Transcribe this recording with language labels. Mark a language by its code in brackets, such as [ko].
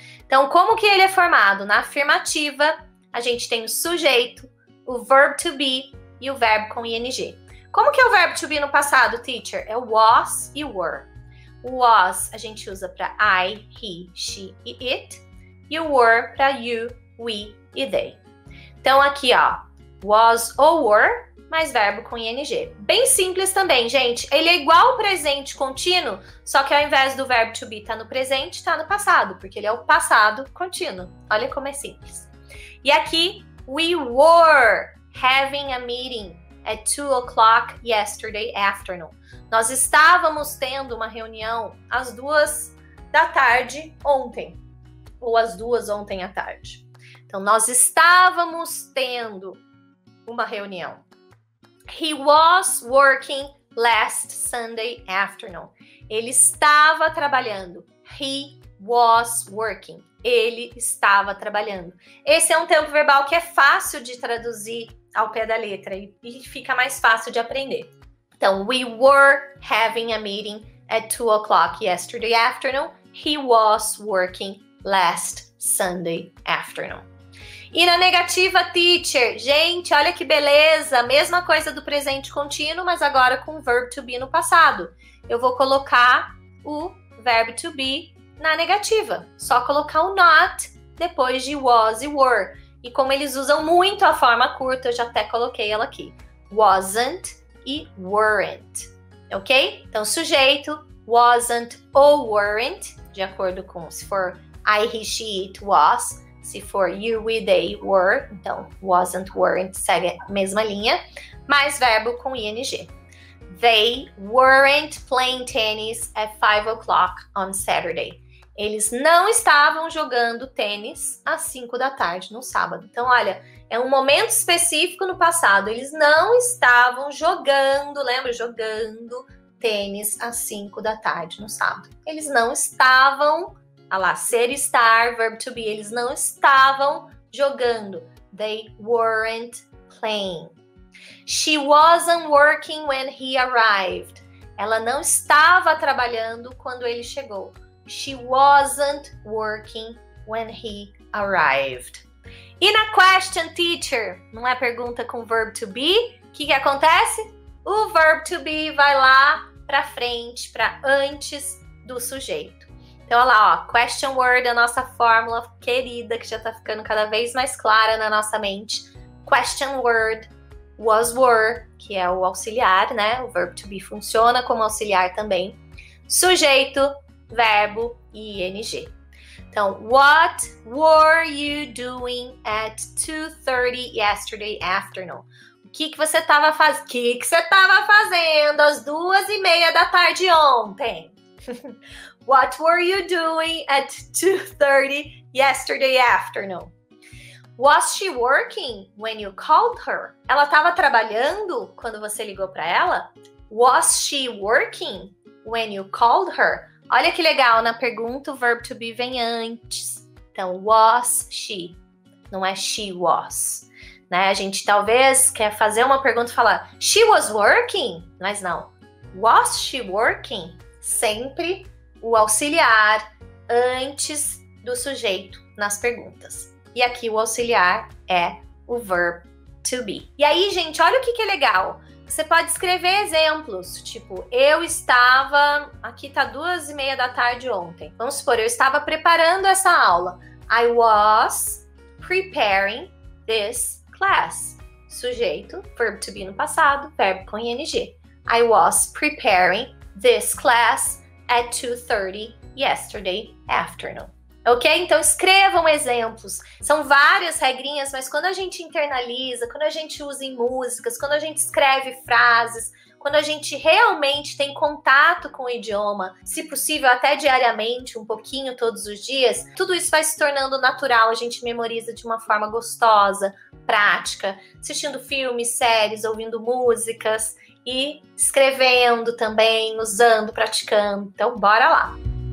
[pt] Então, como que ele é formado? Na afirmativa, a gente tem o sujeito, o verb to be e o verbo com ing. Como que é o verbo to be no passado, teacher? É was e were. O was a gente usa para I, he, she e it. E o were para you, we e they. Então, aqui, ó, was ou were, mais verbo com ing. Bem simples também, gente. Ele é igual ao presente contínuo, só que ao invés do verbo to be tá no presente, tá no passado, porque ele é o passado contínuo. Olha como é simples. E aqui, [en] we were having a meeting at 2:00 yesterday afternoon. [pt] Nós estávamos tendo uma reunião às 2:00 PM ontem, ou às 2:00 ontem à tarde. Então, nós estávamos tendo uma reunião. [en] He was working last Sunday afternoon. [pt] Ele estava trabalhando. [en] He was working. [pt] Ele estava trabalhando. Esse é um tempo verbal que é fácil de traduzir ao pé da letra e fica mais fácil de aprender. [en] Então, we were having a meeting at 2:00 yesterday afternoon. He was working last Sunday afternoon. [pt] E na negativa, teacher, gente, olha que beleza, mesma coisa do presente contínuo, mas agora com o verbo to be no passado. Eu vou colocar o verbo to be na negativa, só colocar o not depois de was e were. E como eles usam muito a forma curta, eu já até coloquei ela aqui, wasn't e weren't, ok? Então, sujeito, wasn't ou weren't, de acordo com se for I, he, she, it, was. Se for you, we, they, were, então wasn't, weren't, segue a mesma linha, mais verbo com ing. [en] They weren't playing tennis at 5:00 on Saturday. [pt] Eles não estavam jogando tênis às 5:00 PM no sábado. Então, olha, é um momento específico no passado. Eles não estavam jogando, lembra? Jogando tênis às 5:00 PM no sábado. Eles não estavam... Olha lá, ser, estar, verb to be, eles não estavam jogando. [en] They weren't playing. She wasn't working when he arrived. [pt] Ela não estava trabalhando quando ele chegou. [en] She wasn't working when he arrived. [pt] E na question, teacher, não é pergunta com verb to be? O que que acontece? O verb to be vai lá para frente, para antes do sujeito. Então, olha lá, ó, question word, a nossa fórmula querida, que já tá ficando cada vez mais clara na nossa mente. Question word, was, were, que é o auxiliar, né? O verbo to be funciona como auxiliar também. Sujeito, verbo e ing. [en] Então, what were you doing at 2:30 yesterday afternoon? [pt] O que que você tava fazendo? O que que você tava fazendo às 2:30 PM ontem? [en] What were you doing at 2:30 yesterday afternoon? Was she working when you called her? [pt] Ela estava trabalhando quando você ligou para ela? [en] Was she working when you called her? [pt] Olha que legal, na pergunta o verbo to be vem antes. Então, [en] was she, [pt] não é [en] she was. [pt] Né? A gente talvez quer fazer uma pergunta e falar [en] she was working, [pt] mas não. [en] Was she working? [pt] Sempre o auxiliar antes do sujeito nas perguntas. E aqui o auxiliar é o verb to be. E aí, gente, olha o que que é legal. Você pode escrever exemplos, tipo, eu estava... Aqui tá 2:30 PM ontem. Vamos supor, eu estava preparando essa aula. [en] I was preparing this class. [pt] Sujeito, verb to be no passado, verbo com ing. [en] I was preparing this class at 2:30 yesterday afternoon. Ok? [pt] Então escrevam exemplos. São várias regrinhas, mas quando a gente internaliza, quando a gente usa em músicas, quando a gente escreve frases, quando a gente realmente tem contato com o idioma, se possível até diariamente, um pouquinho todos os dias, tudo isso vai se tornando natural, a gente memoriza de uma forma gostosa, prática, assistindo filmes, séries, ouvindo músicas e escrevendo também, usando, praticando. Então, bora lá!